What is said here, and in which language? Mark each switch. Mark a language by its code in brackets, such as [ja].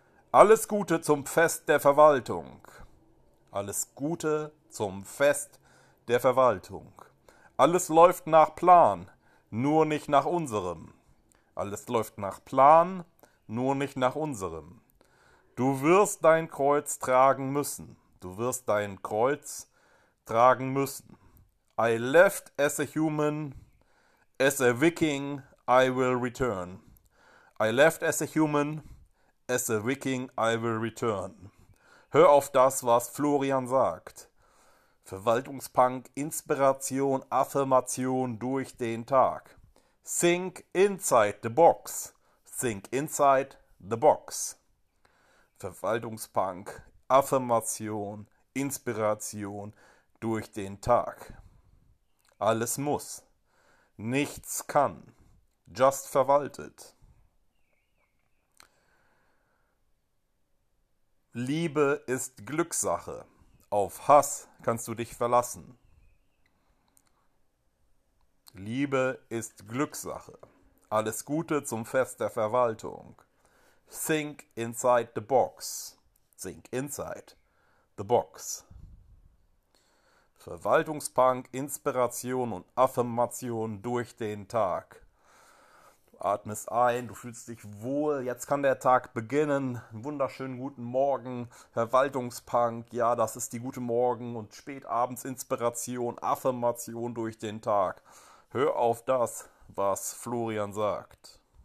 [de] Alles Gute zum Fest der Verwaltung. Alles Gute zum Fest der Verwaltung. Alles läuft nach Plan, nur nicht nach unserem. Alles läuft nach Plan, nur nicht nach unserem. Du wirst dein Kreuz tragen müssen. Du wirst dein Kreuz tragen müssen. [en] I left as a human, as a Viking, I will return. I left as a human, as a Viking, I will return. [de] Hör auf das, was Florian sagt. Verwaltungspunk, Inspiration, Affirmation durch den Tag. [en] Think inside the box. Think inside the box. [de] Verwaltungspunk, Affirmation, Inspiration durch den Tag. Alles muss, nichts kann, just verwaltet. Liebe ist Glückssache, auf Hass kannst du dich verlassen. Liebe ist Glückssache, alles Gute zum Fest der Verwaltung. [en] Think inside the box, think inside the box. [de] Verwaltungspunk, Inspiration und Affirmation durch den Tag. Du atmest ein, du fühlst dich wohl, jetzt kann der Tag beginnen. Einen wunderschönen guten Morgen, Verwaltungspunk, ja, das ist die gute Morgen und spätabends Inspiration, Affirmation durch den Tag. Hör auf das, was Florian sagt.